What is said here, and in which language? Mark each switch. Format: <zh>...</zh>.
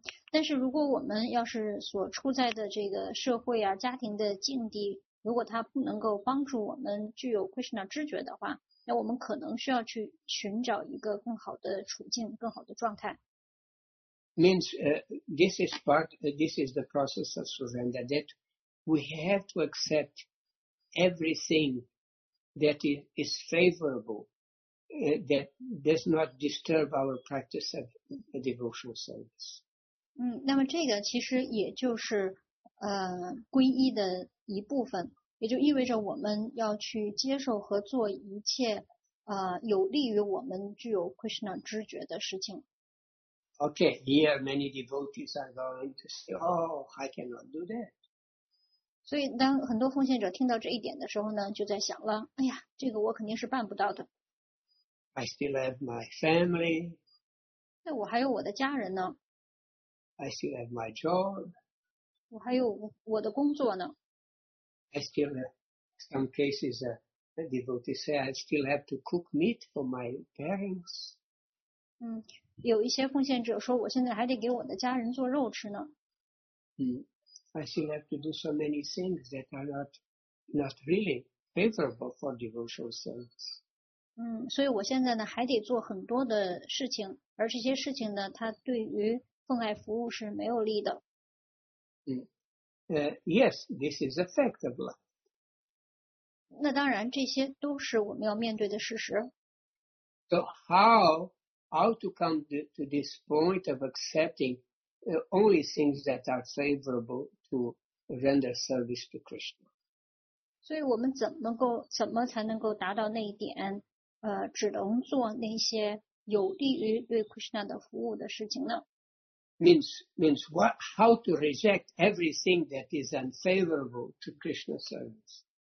<zh>但是如果我们要是所处在的这个社会啊，家庭的境地，如果它不能够帮助我们具有 Krishna 知觉的话，那我们可能需要去寻找一个更好的处境，更好的状态。</zh> <en>Means this is the process of surrender, that we have to accept everything that is favorable, that does not disturb our practice of devotional service.</en> <zh>那么这个其实也就是皈依的一部分。也就意味着我们要去接受和做一切有利于我们具有 Krishna 知觉的事情。</zh> <en>Okay, here many devotees are going to say, oh, I cannot do that.</en> <zh>所以当很多奉献者听到这一点的时候呢，就在想了，哎呀，这个我肯定是办不到的。</zh> <en>I still have my family.</en> <zh>那我还有我的家人呢。</zh> <en>I still have my job.</en> <zh>我还有我的工作呢。</zh> <en>I still have some cases, the devotees say, I still have to cook meat for my parents.</en> <zh>有一些奉献者说我现在还得给我的家人做肉吃呢。</zh> <en>I still have to do so many things that are not really favorable for devotional service.</en> <zh>所以我现在呢还得做很多的事情，而这些事情呢它对于奉爱服务是没有利的。</zh> <en>Yes, this is a fact of life.</en> <zh>那当然这些都是我们要面对的事实。</zh> <en>So how to come to this point of accepting only things that are favorable to render service to Krishna.</en> <zh>所以我们怎么才能够达到那一点，只能做那些有利于对 Krishna 的服务的事情呢？</zh> <en>Means what, how to reject everything that is unfavorable to Krishna service.</en>